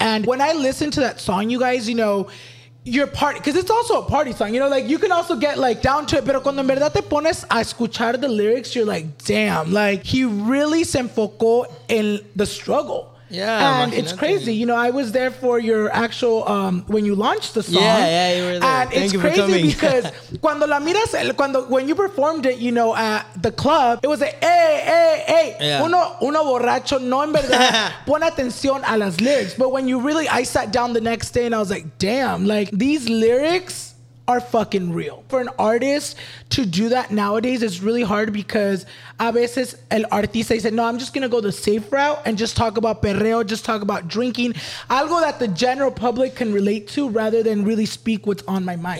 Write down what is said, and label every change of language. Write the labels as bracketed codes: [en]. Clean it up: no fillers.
[en] And when I listen to that song, you guys, you know, your party, because it's also a party song, you know, like, you can also get like down to it, [es] pero cuando en verdad te pones a escuchar [en] the lyrics, you're like, damn, like, he really [es] se enfocó en [en] the struggle. Yeah, and it's crazy. You know, I was there for your actual when you launched the song. Yeah, you were there. And thank it's you crazy for coming. Because [es] cuando la miras, [en] when you performed it, you know, at the club, it was a hey. Yeah. [es] Uno borracho no en verdad pone atención a las lyrics. [en] But when you really, I sat down the next day and I was like, damn, like, these lyrics are fucking real. For an artist to do that nowadays is really hard, because [es] a veces el artista dice, no, [en] I'm just gonna go the safe route and just talk about perreo, just talk about drinking, algo that the general public can relate to, rather than really speak what's on my mind.